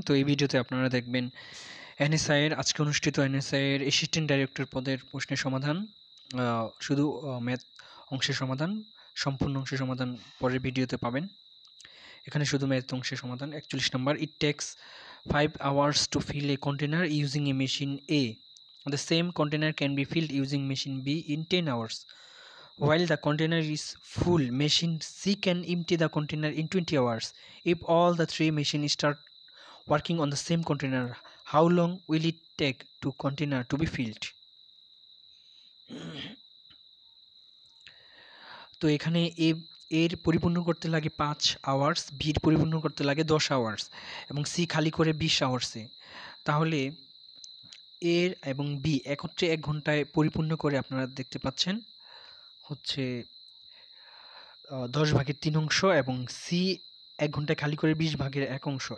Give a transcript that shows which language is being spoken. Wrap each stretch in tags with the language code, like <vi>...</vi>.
<bn>তো এই ভিডিওতে আপনারা দেখবেন এনএসআই এর আজকে অনুষ্ঠিত এনএসআই এর অ্যাসিস্ট্যান্ট ডাইরেক্টর পদের প্রশ্নের সমাধান, শুধু ম্যাথ অংশের সমাধান, সম্পূর্ণ অংশের সমাধান পরের ভিডিওতে পাবেন। এখানে শুধু ম্যাথ অংশের সমাধান। 41 নম্বর,</bn> <en>It takes 5 hours to fill a container using a machine A. The same container can be filled using machine B in 10 hours. While the container is full, machine C can empty the container in 20 hours. If all the three machines start working on the same container, how long will it take to container to be filled?</en> <bn>তো এখানে এর পরিপূর্ণ করতে লাগে 5 hours, বির পরিপূর্ণ করতে লাগে 10 আওয়ার্স, এবং সি খালি করে 20 আওয়ার্সে। তাহলে এর এবং বি একত্রে 1 ঘন্টায় পরিপূর্ণ করে আপনারা দেখতে পাচ্ছেন হচ্ছে 10 ভাগের 3 অংশ, এবং সি 1 ঘন্টায় খালি করে 20 ভাগের 1 অংশ।</bn>